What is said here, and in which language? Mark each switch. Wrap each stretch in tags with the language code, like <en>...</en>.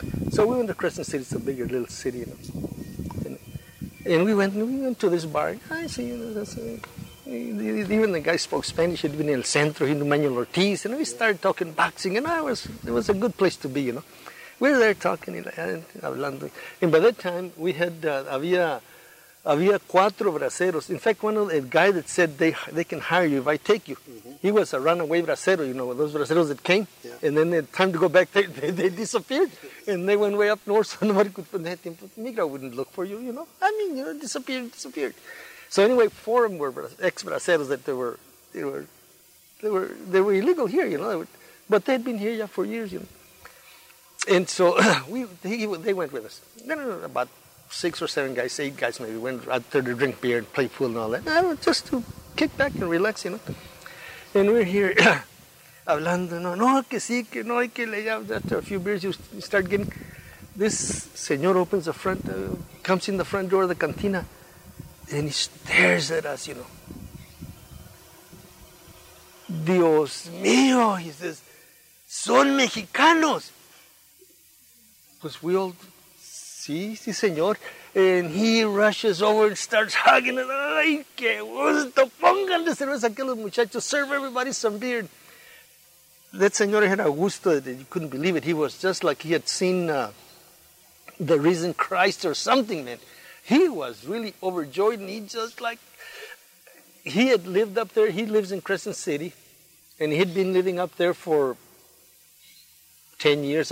<en>So we went to Crescent City, it's a bigger little city, you know. And we went to this bar. I see, you know, that's a, even the guy spoke Spanish. He'd been in El Centro, he knew Manuel Ortiz, and we started talking boxing, and it was a good place to be, you know. We were there talking, hablando. And by that time, we had,</en> <es>había cuatro braceros.</es> <en>In fact, a guy that said they can hire you if I take you. Mm-hmm. He was a runaway bracero, you know, those braceros that came, yeah. And then they had time to go back, they disappeared, and they went way up north, so nobody could put that in. Migra wouldn't look for you, you know. I mean, you know, disappeared. So anyway, four of them were ex-braceros that they were illegal here, you know. But they had been here for years, you know. And so they went with us. About six or seven guys, eight guys maybe, went out there to drink beer and play pool and all that. And just to kick back and relax, you know. And we're here</en> <es>hablando, no, que sí, que no, que le llamo.</es> <en>After a few beers, you start getting... This señor opens the front, comes in the front door of the cantina, and he stares at us, you know.</en> <es>Dios mío,</es> <en>he says,</en> <es>son mexicanos. Pues</es> <en>we all,</en> <es>sí, señor. And he rushes over and starts hugging us. Ay, qué gusto, pongan de cerveza aquí los muchachos.</es> <en>Serve everybody some beer. That señor had a gusto that you couldn't believe it. He was just like he had seen the risen Christ or something, man. He was really overjoyed, and he had lived up there. He lives in Crescent City, and he had been living up there for 10 years.</en>